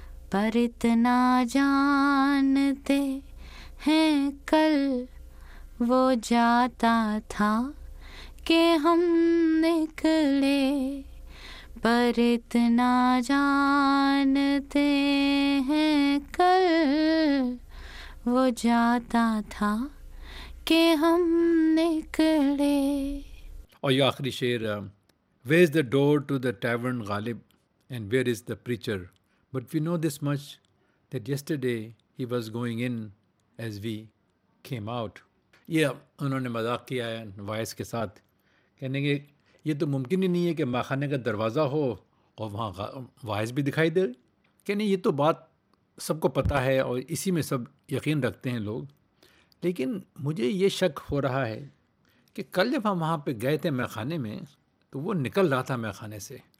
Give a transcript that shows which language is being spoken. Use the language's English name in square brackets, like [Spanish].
[Urdu] پر اتنا جانتے ہیں کل وہ جاتا تھا کہ ہم نکلے پر اتنا جانتے ہیں کل وہ جاتا تھا کہ ہم نکلے. اور یہ آخری شعر, [English] Where is the door to the tavern Ghalib and where is the preacher but we know this much that yesterday he was going in as we came out. [Urdu] یہ انہوں نے مذاق کیا ہے وائس کے ساتھ, کہنے کے یہ تو ممکن ہی نہیں ہے کہ ماخانے کا دروازہ ہو اور وہاں وائس بھی دکھائی دے. کہنے یہ تو بات سب کو پتہ ہے اور اسی میں سب یقین رکھتے ہیں لوگ, لیکن مجھے یہ شک ہو رہا ہے کہ کل جب ہم وہاں پہ گئے تھے میخانے میں تو وہ نکل رہا تھا میخانے سے.